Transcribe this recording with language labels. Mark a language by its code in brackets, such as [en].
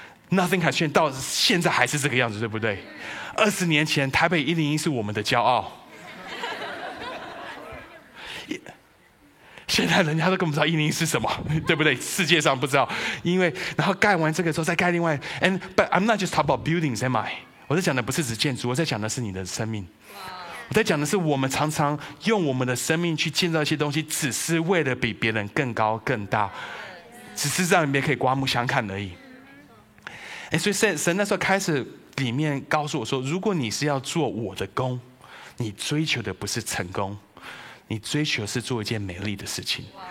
[en] Nothing has changed， [zh] 到现在还是这个样子，对不对？二十年前，台北101是我们的骄傲。现在人家都根本不知道101是什么，对不对？世界上不知道，因为然后盖完这个之后再盖另外。 [en] And but I'm not just talking about buildings, am I？ [zh] 我在讲的不是指建筑，我在讲的是你的生命。我在讲的是我们常常用我们的生命去建造一些东西，只是为了比别人更高更大，只是让别人可以刮目相看而已。所以神那时候开始里面告诉我说，如果你是要做我的工，你追求的不是成功，你追求是做一件美丽的事情。